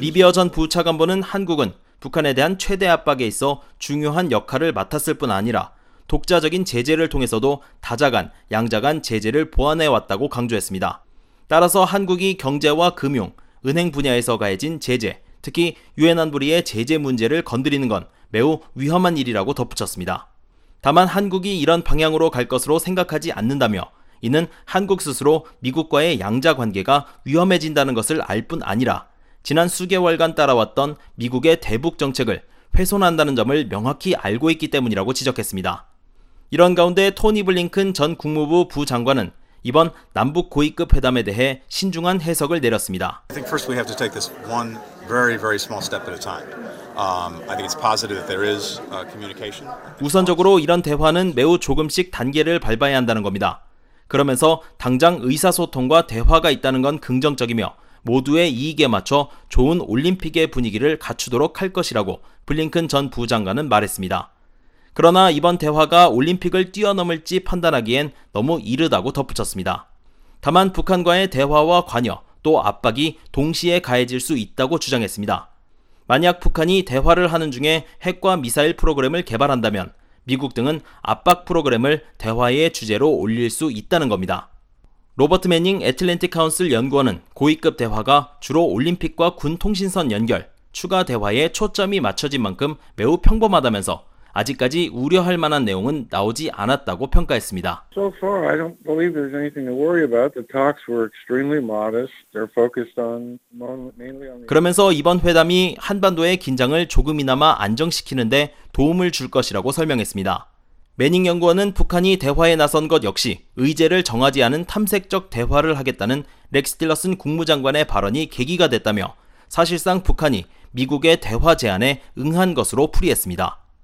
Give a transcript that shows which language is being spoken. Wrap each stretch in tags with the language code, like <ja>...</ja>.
<ko>리비어 전 부차관보는 한국은 북한에 대한 최대 압박에 있어 중요한 역할을 맡았을 뿐 아니라 독자적인 제재를 통해서도 다자간, 양자간 제재를 보완해왔다고 강조했습니다. 따라서 한국이 경제와 금융, 은행 분야에서 가해진 제재, 특히 유엔 안보리의 제재 문제를 건드리는 건 매우 위험한 일이라고 덧붙였습니다. 다만 한국이 이런 방향으로 갈 것으로 생각하지 않는다며 이는 한국 스스로 미국과의 양자관계가 위험해진다는 것을 알 뿐 아니라 지난 수개월간 따라왔던 미국의 대북 정책을 훼손한다는 점을 명확히 알고 있기 때문이라고 지적했습니다. 이런 가운데 토니 블링큰 전 국무부 부장관은 이번 남북 고위급 회담에 대해 신중한 해석을 내렸습니다.</ko> <en>I think first we have to take this one very very small step at a time. I think it's positive that there is communication.</en> <ko>우선적으로 이런 대화는 매우 조금씩 단계를 밟아야 한다는 겁니다. 그러면서 당장 의사소통과 대화가 있다는 건 긍정적이며 모두의 이익에 맞춰 좋은 올림픽의 분위기를 갖추도록 할 것이라고 블링컨 전 부장관은 말했습니다. 그러나 이번 대화가 올림픽을 뛰어넘을지 판단하기엔 너무 이르다고 덧붙였습니다. 다만 북한과의 대화와 관여 또 압박이 동시에 가해질 수 있다고 주장했습니다. 만약 북한이 대화를 하는 중에 핵과 미사일 프로그램을 개발한다면 미국 등은 압박 프로그램을 대화의 주제로 올릴 수 있다는 겁니다. 로버트 매닝 애틀랜틱 카운슬 연구원은 고위급 대화가 주로 올림픽과 군 통신선 연결, 추가 대화에 초점이 맞춰진 만큼 매우 평범하다면서 아직까지 우려할 만한 내용은 나오지 않았다고 평가했습니다.</ko> <en>So far, I don't believe there's anything to worry about. The talks were extremely modest. They're focused on mainly on.</en> <ko>그러면서 이번 회담이 한반도의 긴장을 조금이나마 안정시키는데 도움을 줄 것이라고 설명했습니다. 매닝 연구원은 북한이 대화에 나선 것 역시 의제를 정하지 않은 탐색적 대화를 하겠다는 렉스 틸러슨 국무장관의 발언이 계기가 됐다며 사실상 북한이 미국의 대화 제안에 응한 것으로 풀이했습니다.</ko>